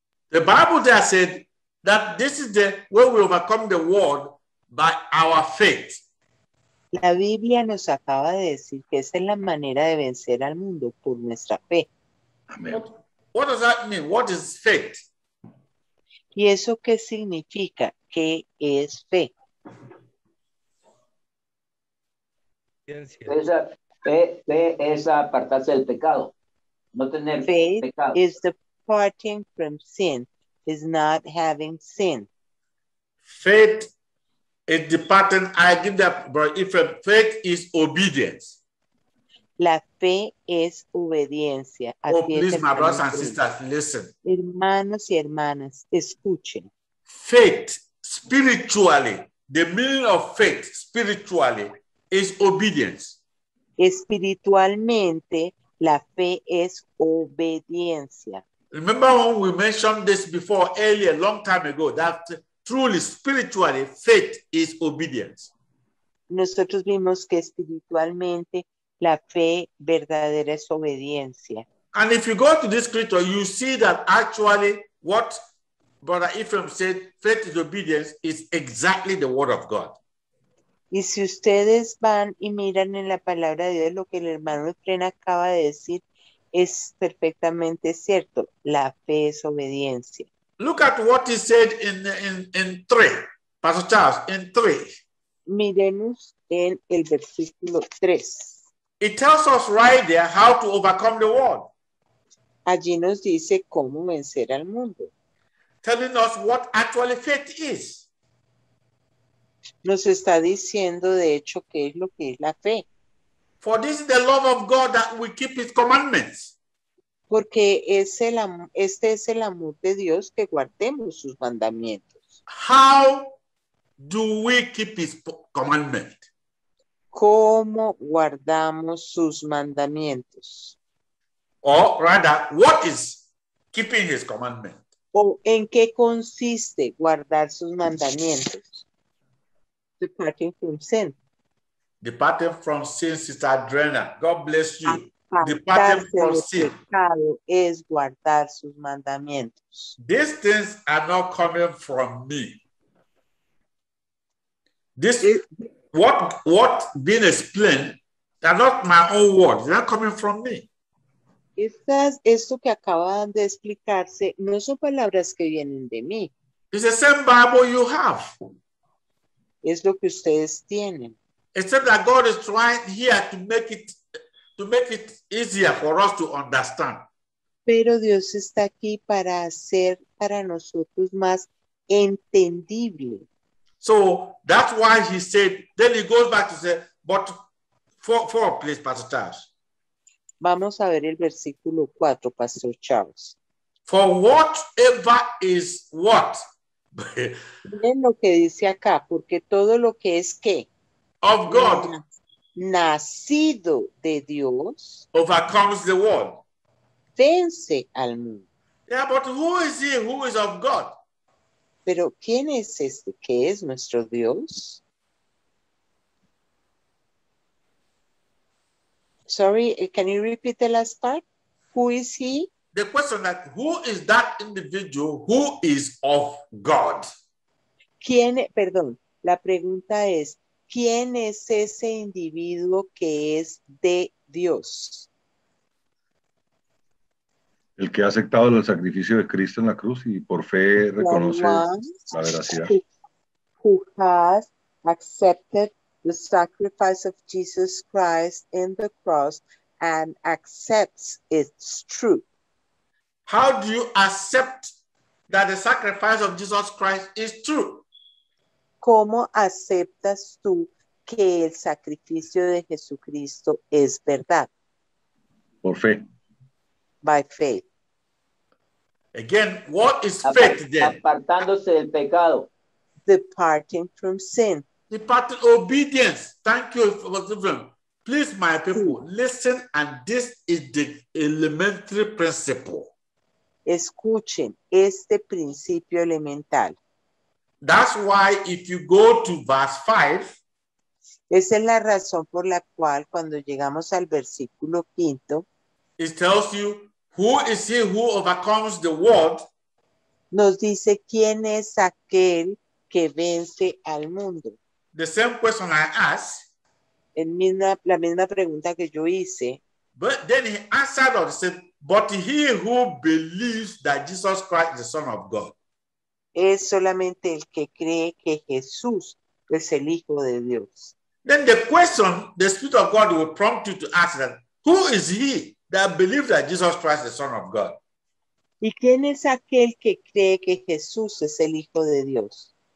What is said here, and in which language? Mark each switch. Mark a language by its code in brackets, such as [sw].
[en] The Bible there said that this is the way we overcome the world by our faith. [es] La Biblia nos acaba de decir que esa es la manera de vencer al mundo por nuestra fe. [en] Amen. What does that mean? What is faith? [es] ¿Y eso qué significa? ¿Qué es fe? Fe es apartarse del pecado. No tener [en] faith [es] pecado. [en] Is departing from sin. Is not having sin. Faith is departing. I give that, but if faith is obedience. [es] La fe es obediencia. [en] Así oh, please, my brothers and sisters, listen. [es] Hermanos y hermanas, escuchen. [en] Faith, spiritually, the meaning of faith, spiritually, is obedience. [es] Espiritualmente, la fe es obediencia. [en] Remember when we mentioned this before, earlier, a long time ago, that truly, spiritually, faith is obedience. [es] Nosotros vimos que espiritualmente, la fe verdadera es obediencia. [en] And if you go to this scripture, you see that actually what Brother Ephraim said, faith is obedience, is exactly the word of God. [es] Y si ustedes van y miran en la palabra de Dios, lo que el hermano Efren acaba de decir es perfectamente cierto. La fe es obediencia. [en] Look at what he said in 3, Pastor Charles, in 3. [es] Miremos en el versículo 3. [en] It tells us right there how to overcome the world. [es] Allí nos dice cómo vencer al mundo. [en] Telling us what actually faith is. [es] Nos está diciendo de hecho qué es lo que es la fe. [en] For this is the love of God that we keep his commandments. [es] Porque es el este es el amor de Dios que guardemos sus mandamientos. [en] How do we keep his commandment? [es] ¿Cómo guardamos sus mandamientos? [en] Or rather, what is keeping his commandment? [es] ¿O en qué consiste guardar sus mandamientos? [en] Departing from sin. Departing from sin, Sister Adrena. God bless you. Departing from sin. [es] Es guardar sus mandamientos. [en] These things are not coming from me. This what being explained are not my own words. They are coming from me. [es] Esto que acaban de explicarse no son palabras que vienen de mí. [en] It's the same Bible you have. [es] Es lo que ustedes tienen. [en] Except that God is trying here to make it easier for us to understand. [es] Pero Dios está aquí para hacer para nosotros más entendible. [en] So that's why he said, then he goes back to say, but four, please, Pastor Charles. [es] Vamos a ver el versículo 4, Pastor Charles. [en] For whatever is what? [es] Miren lo que dice acá, porque todo lo que es qué? [en] Of God. [es] Nacido de Dios. [en] Overcomes the world. [es] Vence al mundo. [en] Yeah, but who is he who is of God? [es] Pero ¿quién es este que es nuestro Dios? [en] Sorry, can you repeat the last part? Who is he? The question that who is that individual who is of God? [es] ¿Quién, perdón, la pregunta es, ¿quién es ese individuo que es de Dios? El que ha aceptado el sacrificio de Cristo en la cruz y por fe reconoce la veracidad. [en] Who has accepted the sacrifice of Jesus Christ in the cross and accepts its truth. How do you accept that the sacrifice of Jesus Christ is true? [es] ¿Cómo aceptas tú que el sacrificio de Jesucristo es verdad? Por fe. [en] By faith. Again, what is faith then? [es] Apartándose del pecado. [en] Departing from sin. Departing obedience. Thank you for giving. Please, my people, listen, and this is the elementary principle. [es] Escuchen este principio elemental. [en] That's why if you go to verse 5. [es] Esa es la razón por la cual cuando llegamos al versículo quinto. [en] It tells you who is he who overcomes the world. [es] Nos dice quién es aquel que vence al mundo. [en] The same question I asked. [es] En misma, la misma pregunta que yo hice. [en] But then he answered or said, but he who believes that Jesus Christ is the Son of God. [es] Es solamente el que cree que Jesús es el Hijo de Dios. [en] Then the question the Spirit of God will prompt you to ask that, who is he that believes that Jesus Christ is the Son of God? [es] ¿Y quién es aquel que cree que Jesús es el Hijo de Dios?